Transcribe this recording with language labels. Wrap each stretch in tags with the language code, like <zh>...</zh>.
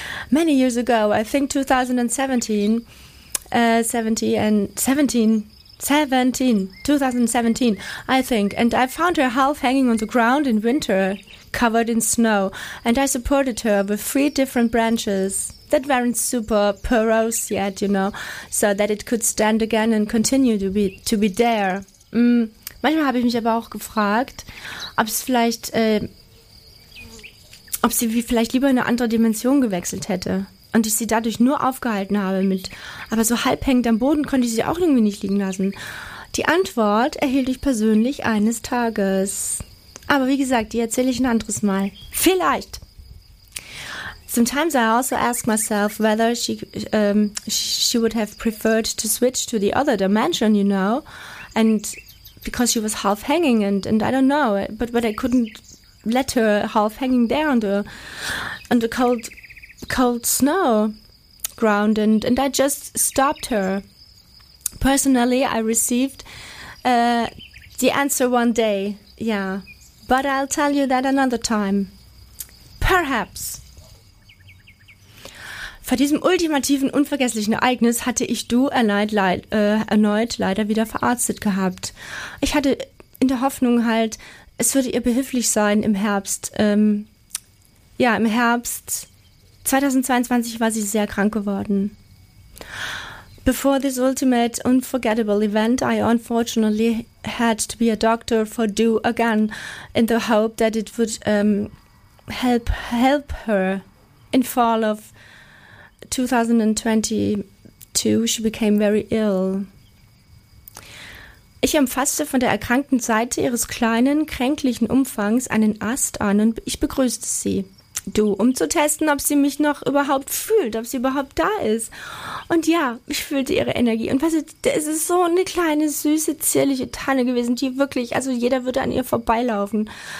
<en>Many years ago, I think 2017, I think. And I found her half hanging on the ground in winter, covered in snow, and I supported her with three different branches that weren't super porous yet, you know, so that it could stand again and continue to be there.</en> <de>Manchmal habe ich mich aber auch gefragt, ob sie vielleicht lieber in eine andere Dimension gewechselt hätte und ich sie dadurch nur aufgehalten habe mit, aber so halb hängend am Boden konnte ich sie auch irgendwie nicht liegen lassen. Die Antwort erhielt ich persönlich eines Tages. Aber wie gesagt, die erzähle ich ein anderes Mal. Vielleicht.</de> <en>Sometimes I also ask myself whether she would have preferred to switch to the other dimension, you know, and because she was half hanging and I don't know, but I couldn't let her half hanging there under cold snow ground, and I just stopped her. Personally, I received the answer one day, yeah, but I'll tell you that another time, perhaps.</en> <de>Vor diesem ultimativen, unvergesslichen Ereignis hatte ich Du erneut leider wieder verarztet gehabt. Ich hatte in der Hoffnung halt, es würde ihr behilflich sein im Herbst. Im Herbst 2022 war sie sehr krank geworden.</de> <en>Before this ultimate, unforgettable event, I unfortunately had to be a doctor for Du again, in the hope that it would help her in fall of 2022, she became very ill.</en> <de>Ich umfasste von der erkrankten Seite ihres kleinen, kränklichen Umfangs einen Ast an und ich begrüßte sie. Du, um zu testen, ob sie mich noch überhaupt fühlt, ob sie überhaupt da ist. Und ja, ich fühlte ihre Energie. Und weißt du, das ist so eine kleine, süße, zierliche Tanne gewesen, die wirklich, also jeder würde an ihr vorbeilaufen.</de>